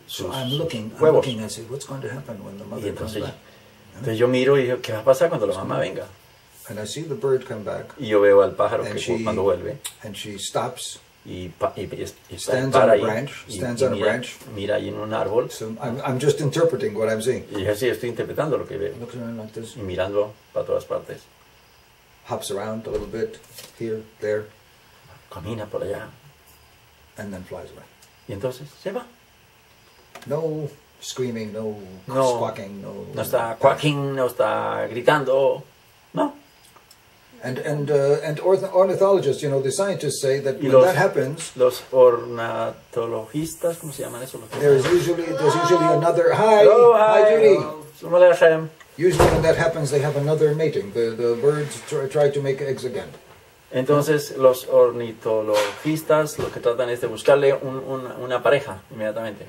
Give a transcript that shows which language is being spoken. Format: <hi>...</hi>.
<en>So I'm looking and say, what's going to happen when the mother</en> <es>entonces,</es> <en>comes back?</en> <es>Entonces yo miro y digo, ¿qué va a pasar cuando la mamá venga?</es> <en>And I see the bird come back.</en> <es>Y yo veo al pájaro que cuando vuelve.</es> <en>And she stops.</en> <es>Y</es> <en>stands on a branch. Stands on a branch.</en> <es>Mira ahí en un árbol.</es> <en>So I'm just interpreting what I'm seeing.</en> <es>Y así estoy interpretando lo que veo.</es> <en>Looks around like this.</en> <es>Y mirando para todas partes.</es> <en>Hops around a little bit here, there.</en> <es>Camina por allá.</es> <en>And then flies away.</en> <es>Y entonces se va.</es> <en>No screaming, no, no squawking, no.</en> <es>No está quacking, no está gritando. No.</es> <en>And ornithologists, you know, the scientists say that when that happens,</en> <es>los ornitologistas, ¿cómo se llaman eso?</es> <en>There's usually another hi Judy.</en> <es>Hola, Hashem.</es> <en>Usually when that happens, they have another mating. The birds try to make eggs again.</en> <es>Entonces los ornitologistas lo que tratan es de buscarle una pareja inmediatamente.</es>